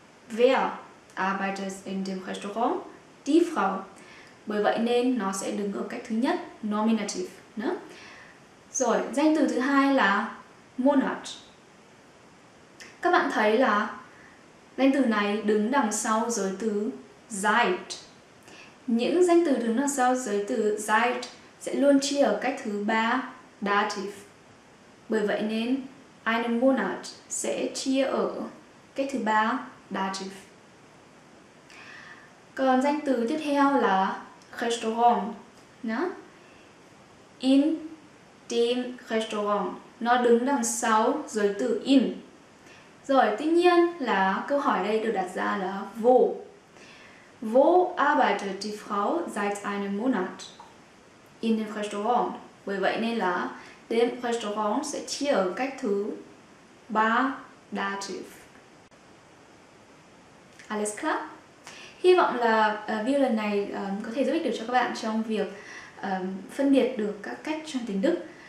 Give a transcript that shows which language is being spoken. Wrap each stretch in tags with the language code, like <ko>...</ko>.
<de>Wer arbeitet in dem Restaurant? Die Frau.</de> <vi>Bởi vậy nên nó sẽ đứng ở cách thứ nhất, nominative. Nhá? Rồi, danh từ thứ hai là Monat. Các bạn thấy là danh từ này đứng đằng sau giới từ seit. Những danh từ đứng đằng sau giới từ seit sẽ luôn chia ở cách thứ ba dative. Bởi vậy nên</vi> <de>einen Monat</de> <vi>sẽ chia ở cách thứ ba dative. Còn danh từ tiếp theo là Restaurant. Nhá?</vi> <de>In dem Restaurant.</de> <vi>Nó đứng đằng sau giới từ in. Rồi, tuy nhiên là câu hỏi đây được đặt ra là Wo?</vi> <de>Wo arbeitet die Frau seit einem Monat? In dem Restaurant.</de> <vi>Bởi vậy nên là</vi> <de>dem Restaurant</de> <vi>sẽ chia ở cách thứ 3 dative.</vi> <de>Alles klar?</de> <vi>Hy vọng là video lần này có thể giúp ích được cho các bạn trong việc phân biệt được các cách trong tiếng Đức.</vi>